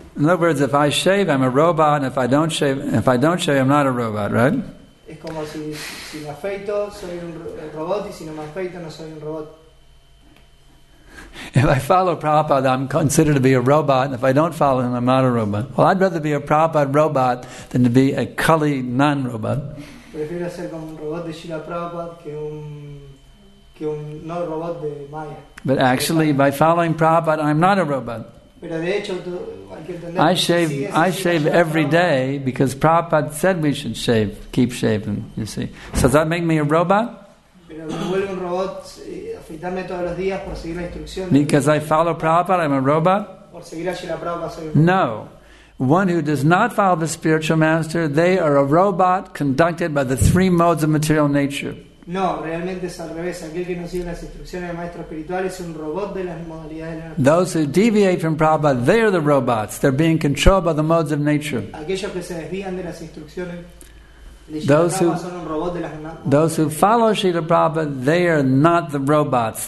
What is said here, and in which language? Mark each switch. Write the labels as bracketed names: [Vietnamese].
[English] In other words, if I shave, I'm a robot, and if I don't shave, I'm not a robot, right? [Spanish] Es como si me afeito, soy un robot, y si no me afeito, no soy un robot. [English] If I follow Prabhupada, I'm considered to be a robot, and if I don't follow him, I'm not a robot. Well, I'd rather be a Prabhupada robot than to be a Kali non-robot. [Spanish] Prefiero ser como un robot de Srila Prabhupada que un no robot de Maya. [English] But actually, by following Prabhupada, I'm not a robot. [Spanish] Pero de hecho, [English] I shave every day because Prabhupada said we should shave, keep shaving, you see. So does that make me a robot? Because I follow Prabhupada, I'm a robot? No. One who does not follow the spiritual master, they are a robot conducted by the three modes of material nature. [Spanish] No, realmente es al revés. Aquel que no sigue las instrucciones del maestro espiritual es un robot de las modalidades de la naturaleza. [English] Those who deviate from Prabhupada, they are the robots. They're being controlled by the modes of nature. [Spanish] Aquellos que se desvían de las instrucciones [English] Those who, [Spanish] son un robot de las [English] those who follow Srila Prabhupada, they are not the robots.